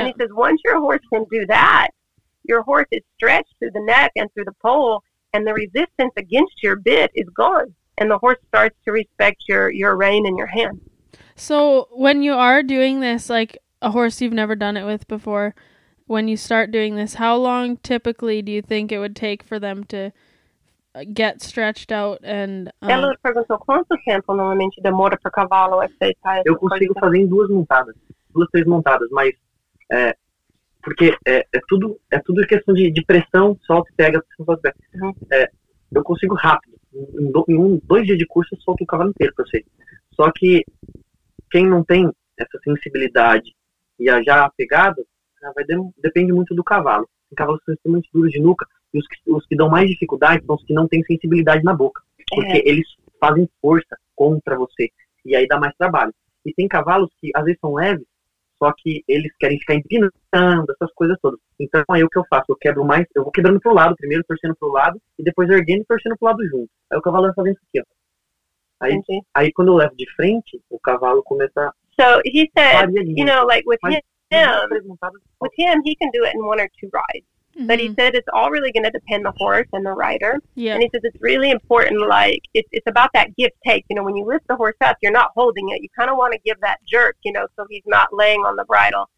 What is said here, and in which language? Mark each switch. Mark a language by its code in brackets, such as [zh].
[en] And he says, once your horse can do that, your horse is stretched through the neck and through the pole, and the resistance against your bit is gone. And the horse starts to respect your rein and your hand. So when you are doing this, like, a horse you've never done it with before, when you start doing this, how long typically do you think it would take for them to get stretched out and... [pt] Ela perguntou quanto tempo normalmente demora para o cavalo aceitar... Eu consigo fazer em duas montadas, mas porque é tudo questão de pressão, solta e pega. Eu consigo rápido. Em dois dias de curso, eu solto o cavalo inteiro pra você. Só que quem não tem essa sensibilidade e já pegada, depende muito do cavalo. Tem cavalos que são extremamente duros de nuca, e os que dão mais dificuldade são os que não têm sensibilidade na boca. Porque eles fazem força contra você, e aí dá mais trabalho. E tem cavalos que às vezes são leves, só que eles querem ficar empinando, essas coisas todas. Então aí o que eu faço? Eu vou quebrando pro lado primeiro, torcendo pro lado, e depois erguendo e torcendo pro lado junto. Aí o cavalo vai fazendo isso aqui, ó. Aí quando eu levo de frente, o cavalo começa. [en] So he said, you know, like with him, he can do it in one or two rides. Mm-hmm. But he said it's all really going to depend the horse and the rider. Yeah. And he says it's really important, like, it's about that give take. You know, when you lift the horse up, you're not holding it. You kind of want to give that jerk, you know, so he's not laying on the bridle.